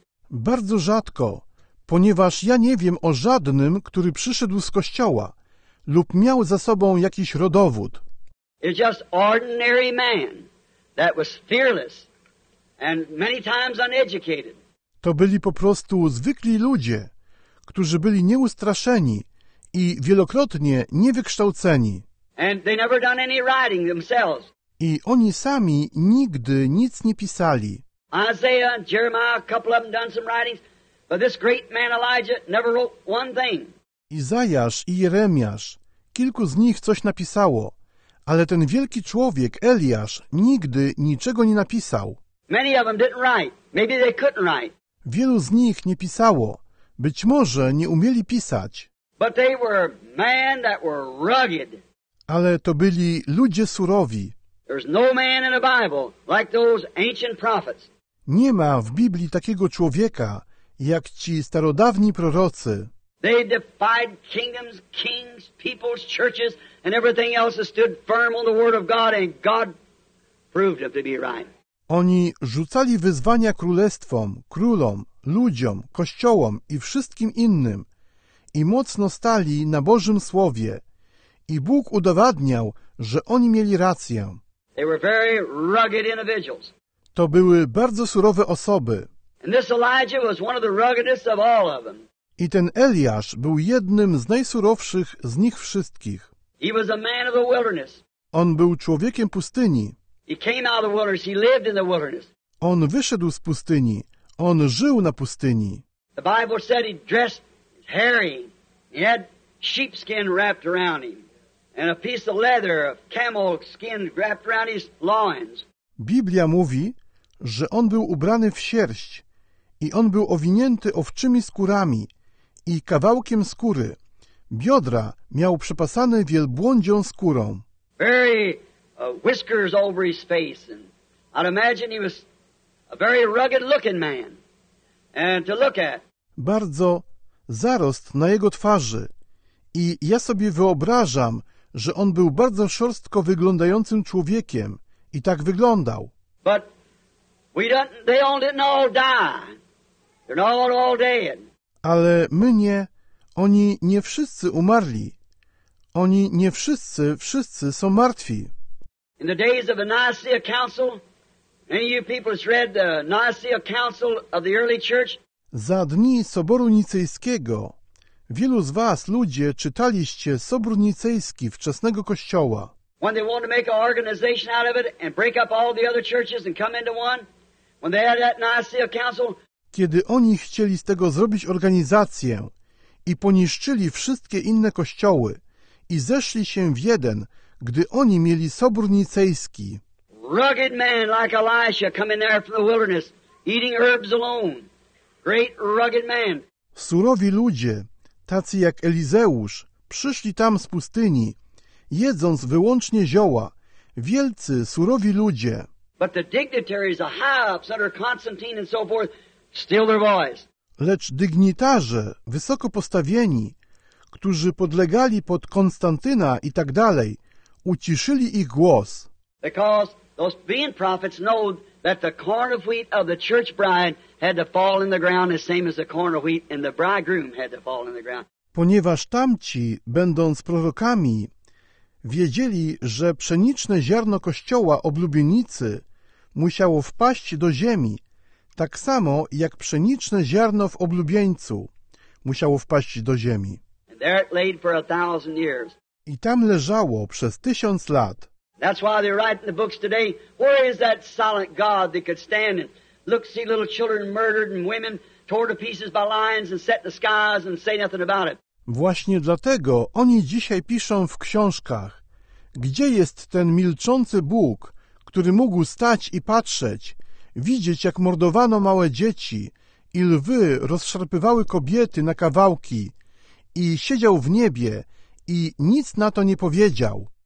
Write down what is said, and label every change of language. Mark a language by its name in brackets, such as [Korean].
[Polish] Bardzo rzadko, ponieważ ja nie wiem o żadnym, który przyszedł z kościoła lub miał za sobą jakiś rodowód. [English] It's just ordinary man that was fearless and many times uneducated. [Polish] To byli po prostu zwykli ludzie, którzy byli nieustraszeni i wielokrotnie niewykształceni. [English] And they never done any writing themselves. [Polish] I oni sami nigdy nic nie pisali. [English] Isaiah, Jeremiah, a couple of them done some writings, but this great man Elijah never wrote one thing. [Polish] Izajasz i Jeremiasz, kilku z nich coś napisało, ale ten wielki człowiek Eliasz nigdy niczego nie napisał. [English] Many of them didn't write. Maybe they couldn't write. [Polish] Wielu z nich nie pisało. Być może nie umieli pisać. [English] But they were men that were rugged. [Polish] Ale to byli ludzie surowi. [English] There's no man in the Bible like those ancient prophets. [Polish] Nie ma w Biblii takiego człowieka jak ci starodawni prorocy. [English] They defied kingdoms, kings, peoples, churches and everything else that stood firm on the word of God and God proved them to be right. [Polish] Oni rzucali wyzwania królestwom, królom, ludziom, kościołom i wszystkim innym i mocno stali na Bożym Słowie i Bóg udowadniał, że oni mieli rację. [English] They were very rugged individuals. [Polish] To były bardzo surowe osoby. [English] And this Elijah was one of the ruggedest of all of them. [Polish] I ten Eliasz był jednym z najsurowszych z nich wszystkich. [English] He was a man of the wilderness. [Polish] On był człowiekiem pustyni. [English] He came out of the wilderness. He lived in the wilderness. [Polish] On wyszedł z pustyni. On żył na pustyni. [English] The Bible said he dressed hairy. He had sheepskin wrapped around him and a piece of leather of camel skin wrapped around his loins. [Polish] Biblia mówi, że on był ubrany w sierść i on był owinięty owczymi skórami i kawałkiem skóry. Biodra miał przepasane wielbłądzią skórą. [English] Very whiskers over his face, and I'd imagine he was a very rugged looking man and to look at. [Polish] Bardzo zarost na jego twarzy i ja sobie wyobrażam, że on był bardzo szorstko wyglądającym człowiekiem i tak wyglądał. [English] But they all didn't all die. They're not all dead. [Polish] Ale my nie, oni nie wszyscy umarli. Oni nie wszyscy, wszyscy są martwi. [English] In the days of the Nicaea Council, many of you people have read the Nicaea Council of the early church. [Polish] Za dni Soboru Nicejskiego wielu z was, ludzie, czytaliście Sobór Nicejski wczesnego Kościoła. [English] When they wanted to make an organization out of it and break up all the other churches and come into one, when they had that Nicaea Council. [Polish] Kiedy oni chcieli z tego zrobić organizację i poniszczyli wszystkie inne kościoły i zeszli się w jeden, gdy oni mieli Sobór Nicejski. [English] Rugged man like Elisha coming there from the wilderness, eating herbs alone. Great rugged man. [Polish] Surowi ludzie, tacy jak Elizeusz, przyszli tam z pustyni, jedząc wyłącznie zioła. Wielcy, surowi ludzie. [English] But the dignitaries, the high-ups under Constantine and so forth, still their voice. [Polish] Lecz dygnitarze, wysoko postawieni, którzy podlegali pod Konstantyna i tak dalej, uciszyli ich głos. [English] Because those being prophets know that the corn of wheat of the church bride had to fall in the ground the same as the corn of wheat in the bridegroom had to fall in the ground. [Polish] Ponieważ tamci, będąc prorokami, wiedzieli, że pszeniczne ziarno kościoła oblubienicy musiało wpaść do ziemi, tak samo jak pszeniczne ziarno w oblubieńcu musiało wpaść do ziemi. [English] There it laid for 1,000 years. [Polish] I tam leżało przez 1000 lat. [English] That's why they write in the books today, where is that silent God that could stand and look, see little children murdered and women torn to pieces by lions and set in the skies and say nothing about it. [Polish] Właśnie dlatego oni dzisiaj piszą w książkach, gdzie jest ten milczący Bóg, który mógł stać i patrzeć, widzieć, jak mordowano małe dzieci i lwy rozszarpywały kobiety na kawałki i siedział w niebie i nic na to nie powiedział.